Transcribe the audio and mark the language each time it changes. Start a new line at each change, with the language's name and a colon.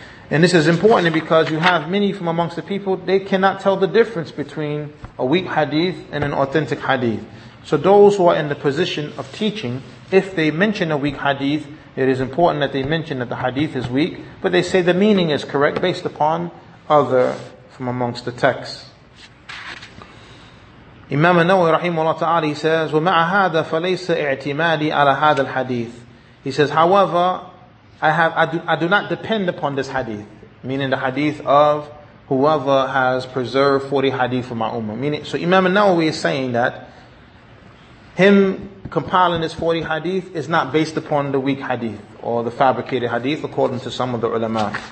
English: And this is important because you have many from amongst the people, they cannot tell the difference between a weak hadith and an authentic hadith. So those who are in the position of teaching, if they mention a weak hadith, it is important that they mention that the hadith is weak, but they say the meaning is correct based upon other from amongst the texts. Imam An-Nawawi rahimahullah ta'ala, he says,
Arabic: وَمَعَ هَذَا فَلَيْسَ اِعْتِمَادِي عَلَى هَذَا الْحَدِيثِ.
English: He says, however, I do not depend upon this hadith, meaning the hadith of whoever has preserved 40 hadith for my ummah. Meaning, so Imam An-Nawawi is saying that him compiling this 40 hadith is not based upon the weak hadith or the fabricated hadith according to some of the ulama.